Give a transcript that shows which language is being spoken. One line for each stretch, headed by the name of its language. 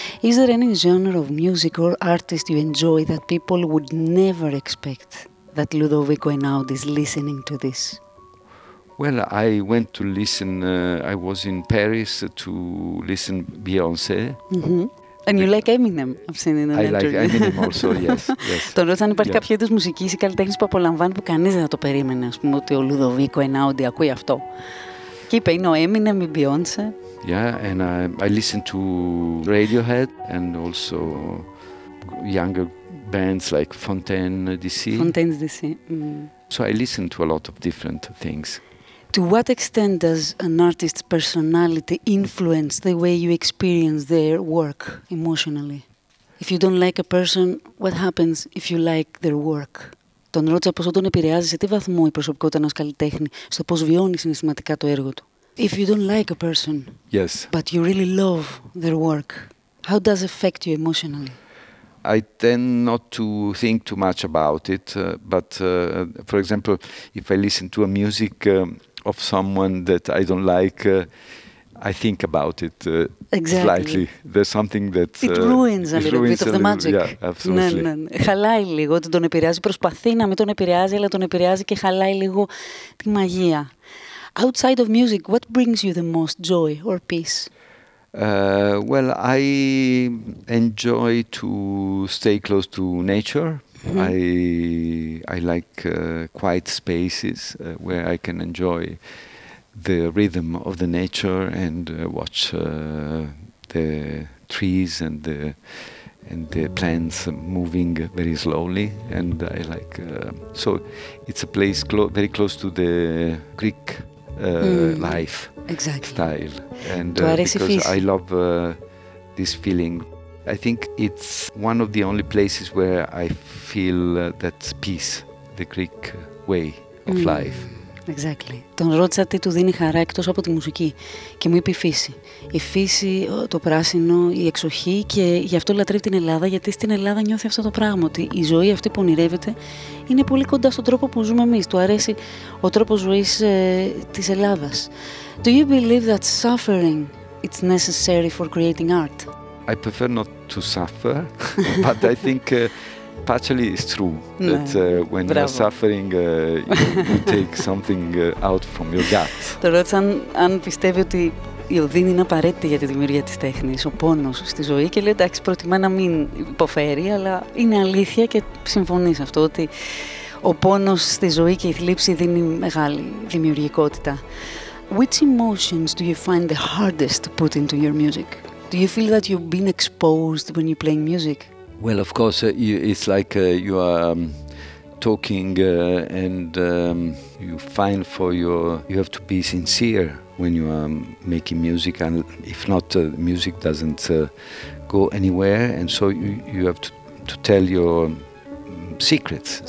English: Is there any genre of music or artist you enjoy that people would never expect that Ludovico Einaudi is listening to this? Well, I went to listen, I was in Paris to listen Beyoncé. And you like Eminem, I've seen in an interview. I like Eminem also, yes.
Greek: Τον ρώτησα αν υπάρχει κάποιο είδος μουσικής ή καλλιτέχνης που απολαμβάνει που κανείς δεν θα το περίμενε, ας πούμε, ότι ο Ludovico Einaudi ακούει αυτό. Και είπε, είναι ο Eminem, η Beyoncé.
English: Yeah, and I listen to Radiohead and also younger bands like Fontaine D.C. Fontaine D.C. So I listen to a lot of different things. To what extent does an artist's personality influence the way you experience their work emotionally? If you don't like a person, what happens if you like their work?
Greek: Τον ρώτησα πόσο τον επηρεάζει, σε τι βαθμό η προσωπικότητα ενός καλλιτέχνη, στο πώς βιώνει συναισθηματικά το έργο του.
English: If you don't like a person, yes, but you really love their work, how does it affect you emotionally? I tend not to think too much about it, but for example, if I listen to a music of someone that I don't like, I think about it exactly. Slightly. There's something that... It ruins a little bit of the magic. Yeah, absolutely.
Greek: Ναι. Χαλάει λίγο, ότι τον επηρεάζει. Προσπαθεί να μην τον επηρεάζει, αλλά τον επηρεάζει και χαλάει λίγο τη μαγεία.
English: Outside of music, what brings you the most joy or peace? Well, I enjoy to stay close to nature. Mm-hmm. I like quiet spaces where I can enjoy the rhythm of the nature and watch the trees and the plants moving very slowly, and I like so it's a place very close to the Greek life, exactly. Style, and because I love this feeling. I think it's one of the only places where I feel that peace, the Greek way of life. Exactly.
Greek: Τον ρώτησα τι του δίνει χαρά εκτός από τη μουσική και μου είπε η φύση. Η φύση, το πράσινο, η εξοχή, και γι' αυτό λατρεύει την Ελλάδα, γιατί στην Ελλάδα νιώθει αυτό το πράγμα, ότι η ζωή αυτή που ονειρεύεται είναι πολύ κοντά στον τρόπο που ζούμε εμείς. Του αρέσει ο τρόπος ζωής της Ελλάδας.
English: Do you believe that suffering is necessary for creating art? I prefer not to suffer, but I think... Partially it's true, no, that when bravo. You're suffering, you take something out from your gut.
Greek: Το ρώτησα αν πιστεύει ότι η οδύνη είναι απαραίτητη για τη δημιουργία της τέχνης, ο πόνος στη ζωή, και λέει εντάξει, προτιμά να μην υποφέρει, αλλά είναι αλήθεια και συμφωνεί σε αυτό, ότι ο πόνος στη ζωή και η θλίψη δίνει μεγάλη δημιουργικότητα.
English: Which emotions do you find the hardest to put into your music? Do you feel that you've been exposed when you're playing music? Well, of course, it's like you are talking and you find for your... You have to be sincere when you are making music, and if not, music doesn't go anywhere, and so you have to tell your secrets.